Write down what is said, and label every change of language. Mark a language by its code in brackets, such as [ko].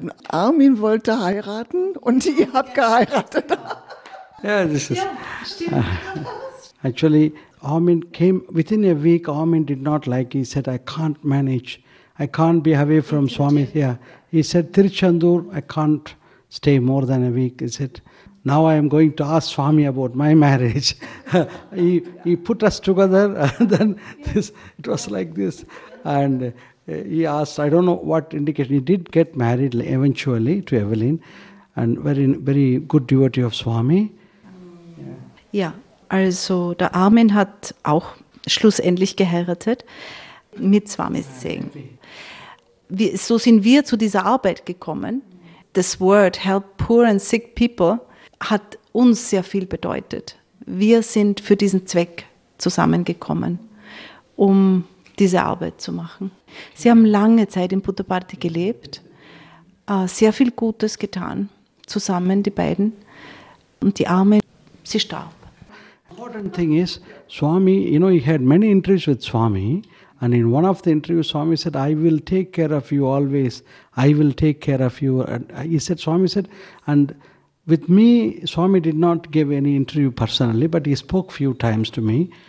[de] Armin wollte heiraten und ihr habt geheiratet. [en] Yeah, this is. [de] Ja, stimmt. [en] Actually, Armin came within a week. Armin did not like. He said, "I can't manage. I can't be away from Swami." Yeah, he said, "Tirchandur, I can't stay more than a week." He said, "Now I am going to ask Swami about my marriage." he put us together, and then this it was like this, and he asked. I don't know what indication. He did get married eventually to Evelyn, and very very good devotee of Swami. [de] Ja, also der Armin hat auch schlussendlich geheiratet mit Swami Singh. So sind wir zu dieser Arbeit gekommen. Das Wort Help Poor and Sick People hat uns sehr viel bedeutet. Wir sind für diesen Zweck zusammengekommen, um diese Arbeit zu machen. Sie haben lange Zeit in Puttaparthi gelebt, sehr viel Gutes getan, zusammen die beiden, und die Arme, sie starb. [en] Important thing is, Swami, you know, he had many interviews with Swami, and in one of the interviews, Swami said, "I will take care of you always. I will take care of you." And he said, Swami said, and with me, Swami did not give any interview personally, but he spoke few times to me.